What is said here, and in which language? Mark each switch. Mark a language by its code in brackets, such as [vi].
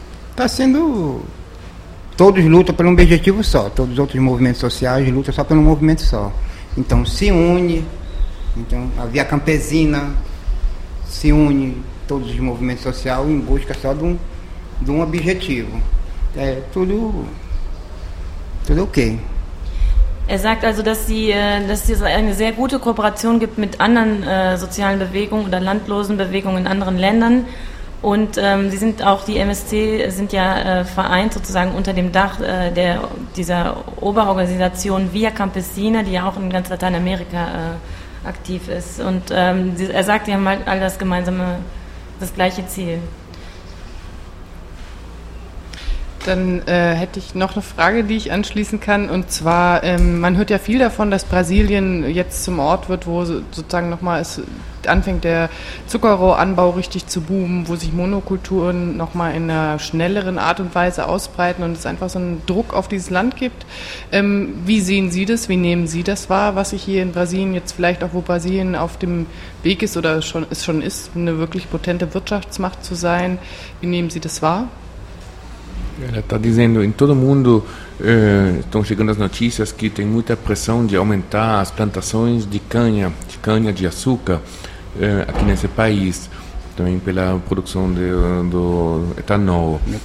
[pt] Está sendo, todos lutam por um objetivo só, todos os outros movimentos sociais lutam só por um movimento só. Então se une, então, a Via Campesina se une, todos os movimentos sociais, em busca só de um objetivo. É tudo ok. [de] Er sagt also, dass es eine sehr gute Kooperation gibt mit anderen sozialen Bewegungen oder landlosen Bewegungen in anderen Ländern. Und sie sind auch, die MSC sind ja vereint sozusagen unter dem Dach dieser Oberorganisation Via Campesina, die ja auch in ganz Lateinamerika aktiv ist. Und er sagt, sie haben halt alle das gleiche Ziel. Dann hätte ich noch eine Frage, die ich anschließen kann. Und zwar, man hört ja viel davon, dass Brasilien jetzt zum Ort wird, wo sozusagen nochmal es anfängt, der Zuckerrohranbau richtig zu boomen, wo sich Monokulturen nochmal in einer schnelleren Art und Weise ausbreiten und es einfach so einen Druck auf dieses Land gibt. Wie sehen Sie das? Wie nehmen Sie das wahr, was sich hier in Brasilien jetzt vielleicht auch, wo Brasilien auf dem Weg ist oder schon ist, eine wirklich potente Wirtschaftsmacht zu sein? Wie nehmen Sie das wahr? [pt] Ela está dizendo, em todo mundo estão chegando as notícias que tem muita pressão de aumentar as plantações de cana de açúcar aqui nesse país, também pela produção do etanol.